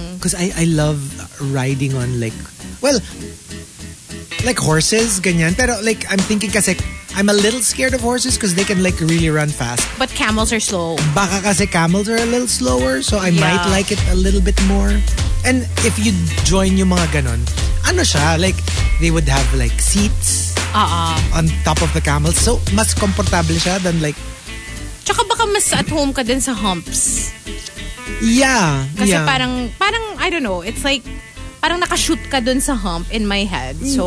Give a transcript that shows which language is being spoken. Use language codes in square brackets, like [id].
[en] Because I love riding on like horses, ganyan. Pero like, I'm thinking kasi I'm a little scared of horses because they can like really run fast. But camels are slow. Baka kasi camels are a little slower, so I might like it a little bit more. And if you join [tl] yung mga ganon, ano siya? [en] Like, they would have like seats on top of the camels. So, mas comfortable siya than like... [tl] Tsaka baka mas at home ka din sa humps. [en] Yeah. Kasi parang, I don't know, it's like... [tl] Parang nakashoot ka dun sa hump [en] in my head. [tl] So